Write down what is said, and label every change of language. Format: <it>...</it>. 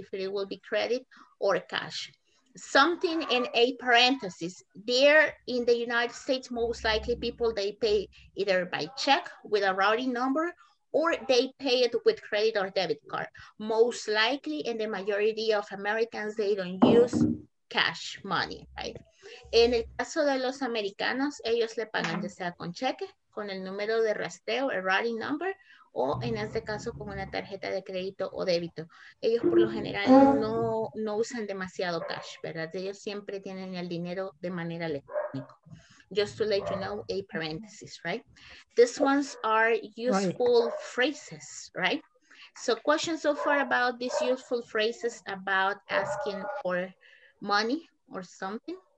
<en>If it will be credit or cash. Something in a parenthesis. There in the United States, most likely people, they pay either by check with a routing number or they pay it with credit or debit card. Most likely in the majority of Americans, they don't use cash money, right?</en> <es>En el caso de los americanos, ellos le pagan ya sea con cheque, con el número de rastreo,</es> <en>a routing number,</en> <es>o en este caso con una tarjeta de crédito o débito. Ellos por lo general no usan demasiado cash, ¿verdad? Ellos siempre tienen el dinero de manera electrónica.</es> <en>Just to let you know, a parenthesis, right? These ones are useful phrases, right? So questions so far about these useful phrases about asking for money or something?</en>